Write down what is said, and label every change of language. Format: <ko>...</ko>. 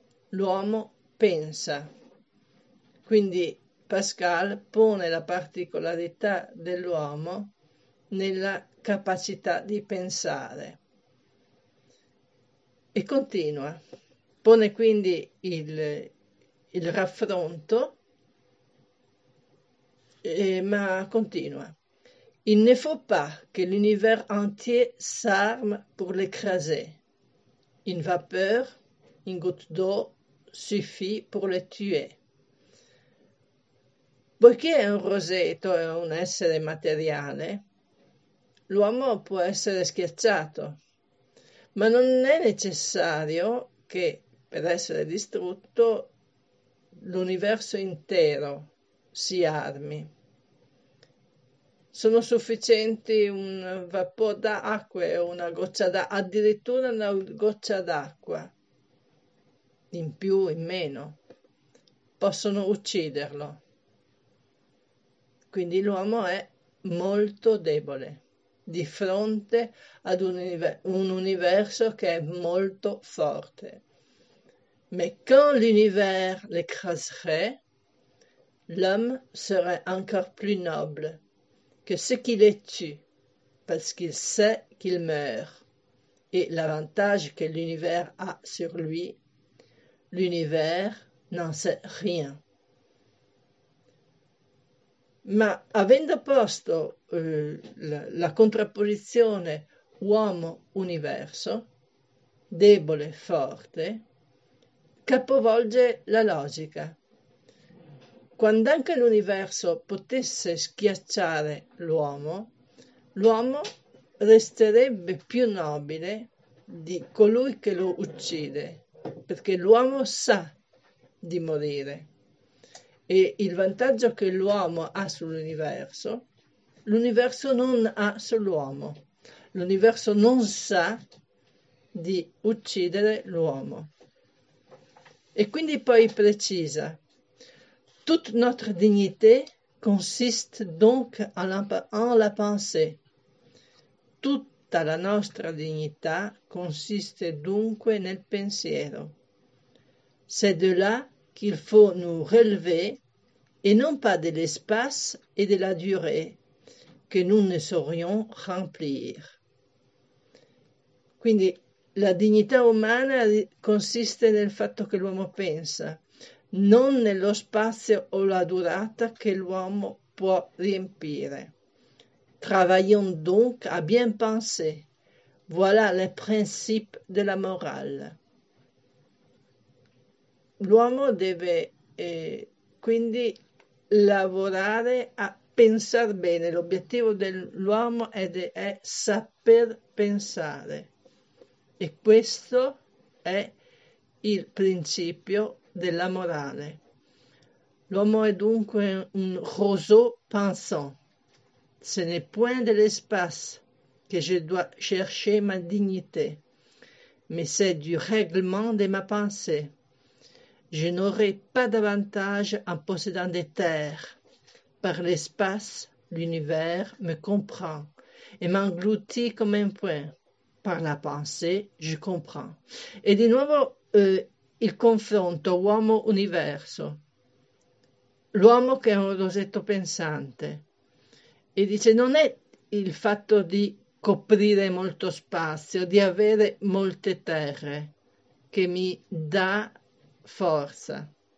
<it>L'uomo pensa. Quindi Pascal pone la particolarità dell'uomo nella capacità di pensare. E continua. Pone quindi il raffronto, ma continua.</it> <fr>Il ne faut pas que l'univers entier s'arme pour l'écraser. Une vapeur, une goutte d'eau suffit pour le tuer.</fr> <it>Poiché un roseto è un essere materiale, l'uomo può essere schiacciato, ma non è necessario che per essere distrutto l'universo intero si armi. Sono sufficienti un vapore d'acqua o una goccia d'acqua, addirittura una goccia d'acqua, in più, in meno, possono ucciderlo. Quindi l'uomo è molto debole di fronte ad un universo che è molto forte.</it> <fr>Ma quand l'univers l'écraserait, l'homme serait encore plus noble que ce qui les tue, parce qu'il sait qu'il meurt. Et l'avantage que l'univers a sur lui, l'univers n'en sait rien.</fr> <it>Ma avendo posto la contrapposizione uomo-universo, debole-forte, capovolge la logica. Quand'anche l'universo potesse schiacciare l'uomo, l'uomo resterebbe più nobile di colui che lo uccide, perché l'uomo sa di morire. E il vantaggio che l'uomo ha sull'universo, l'universo non ha sull'uomo. L'universo non sa di uccidere l'uomo. E quindi poi precisa.</it> <fr>Toute notre dignité consiste donc en la pensée. Toute</fr> <it>tutta la nostra dignità consiste dunque nel pensiero.</it> <fr>C'est de là qu'il faut nous relever et non pas de l'espace et de la durée que nous ne saurions remplir. Quindi la dignità umana consiste nel fatto che l'uomo pensa, non nello spazio o la durata che l'uomo può riempire. Travaillons donc à bien penser. Voilà le principe de la morale.</fr> <it>L'uomo deve quindi lavorare a pensare bene. L'obiettivo dell'uomo è saper pensare. E questo è il principio della morale. L'uomo è dunque un roseau pensant.</it> <fr>Ce n'est point de l'espace que je dois chercher ma dignité, mais c'est du règlement de ma pensée. Je n'aurai pas d'avantage en possédant des terres. Par l'espace, l'univers me comprend et m'engloutit comme un point. Par la pensée, je comprends.</fr> <it>E di nuovo il confronto uomo-universo. L'uomo che è un rosetto pensante. E dice, non è il fatto di coprire molto spazio, di avere molte terre, che mi dà forza.</it>